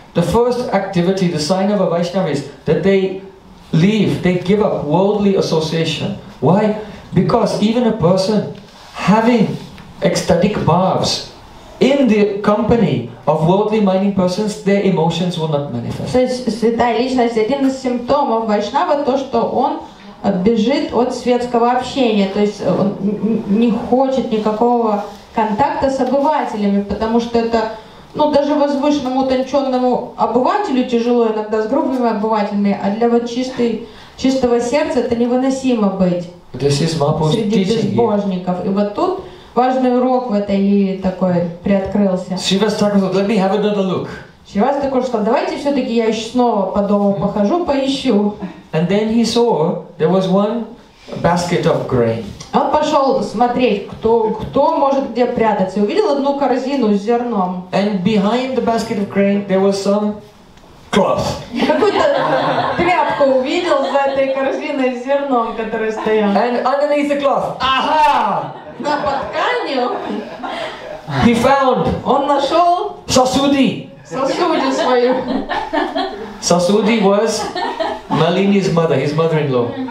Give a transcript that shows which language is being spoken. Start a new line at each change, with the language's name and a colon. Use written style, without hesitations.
English: The first activity, the sign of a vaishnava is that they leave, they give up worldly association. Why? Because even a person having ecstatic bhavs in the company of worldly minded persons, their emotions will not manifest.
Russian: То есть святая личность, один из симптомов вайшнава, то, что он бежит от светского общения, то есть он не хочет никакого контакта с обывателями, потому что это, ну, даже возвышенному, утонченному обывателю тяжело иногда с грубыми обывателями, а для вот чистого сердца это невыносимо быть.
English: This is Mahaprabhu's teaching.
Russian: Среди безбожников. И вот тут важный урок в этой лире такой приоткрылся.
English: Shivastakur said, "Let me have another look."
Russian: Shivastakur сказал, давайте все-таки я еще снова по дому похожу, поищу.
English: And then he saw there was one basket of grain.
Russian: Он пошел смотреть, кто может где прятаться, увидел одну корзину с зерном.
English: And behind the basket of grain there was some cloth.
Russian: Какую-то тряпку увидел за этой корзиной с зерном, которая стояла.
English: And underneath the cloth, aha!
Russian: На подканью.
English: He found.
Russian: Он нашел. Сасуди. Сасуди свою.
English: Сасуди was Malini's mother, his mother-in-law.